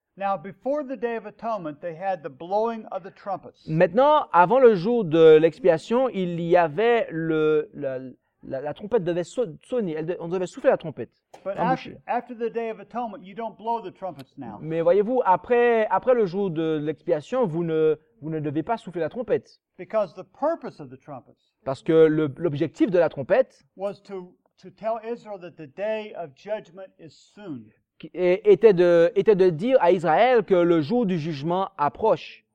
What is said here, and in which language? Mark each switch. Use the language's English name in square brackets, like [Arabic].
[English] Now, before the Day of Atonement, they had the blowing of the trumpets. [French] Maintenant, avant le jour de l'expiation, il y avait la trompette devait sonner. On devait souffler la trompette. [English] But after the Day of Atonement, you don't blow the trumpets now. [French] Mais voyez-vous, après le jour de l'expiation, vous ne devez pas souffler la trompette. [English] Because the purpose of the trumpets. [French] Parce que l'objectif de la trompette [English] was to tell Israel that the Day of Judgment is soon. [French] Était de dire à Israël que le jour du jugement approche.